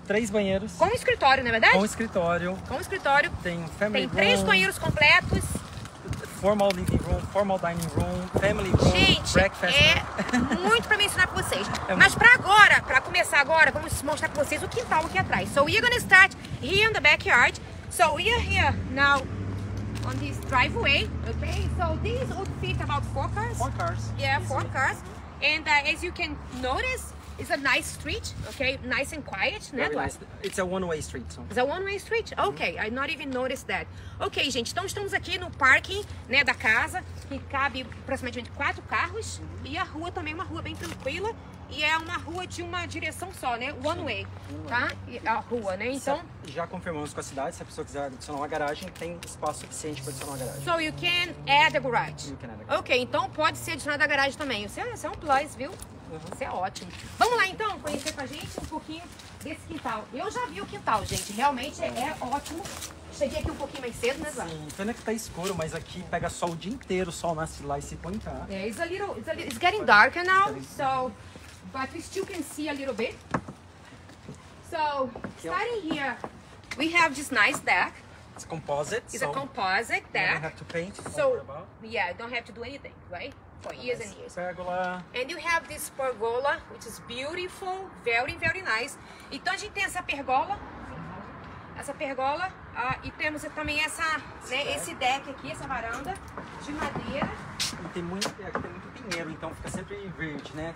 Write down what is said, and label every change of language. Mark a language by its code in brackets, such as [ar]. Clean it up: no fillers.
[pt] 3 banheiros. Com escritório, não é verdade? Com escritório. Com escritório. Tem [en] family [pt] room. Tem 3 banheiros completos. [en] Formal living room, formal dining room, family room, [pt] gente, [en] breakfast. [pt] É muito para mencionar para vocês. Mas para agora, para começar agora, vamos mostrar para vocês o quintal aqui atrás. [en] So we are going to start here in the backyard. So we are here now on this driveway. Okay, so this would fit about 4 cars. 4 cars. Yeah, 4 cars. And as you can notice, it's a nice street, okay? Nice and quiet, né, Eduardo? It's a one-way street. So. It's a one-way street? Okay, I not even noticed that. [pt] Okay, gente, então estamos aqui no parking, né, da casa, que cabe aproximadamente 4 carros, e a rua também é uma rua bem tranquila, e é uma rua de uma direção só, né? One-way, tá? A rua, né? Então... Já confirmamos com a cidade, se a pessoa quiser adicionar uma garagem, tem espaço suficiente para adicionar uma garagem. [en] So you can add a garage. You can add a garage. [pt] Okay, então pode ser adicionada a garagem também. Isso é um plus, viu? Isso é ótimo. Vamos lá então conhecer com a gente um pouquinho desse quintal. Eu já vi o quintal, gente. Realmente é ótimo. Cheguei aqui um pouquinho mais cedo, né, Zé? Sim, pena que tá escuro, mas aqui pega sol o dia inteiro, o sol nasce lá e se põe cá. [en] É, it's getting darker now, so. But we still can see a little bit. So, starting here, we have this nice deck. It's composite. It's a composite deck. You don't have to paint, so. Yeah, don't have to do anything, right? For years and years. Pergola. And you have this pergola, which is beautiful, very, very nice. [pt] Então a gente tem essa pergola. Essa pergola. E temos também essa, né, esse deck aqui, essa varanda de madeira. E tem muito pinheiro, então fica sempre verde, né?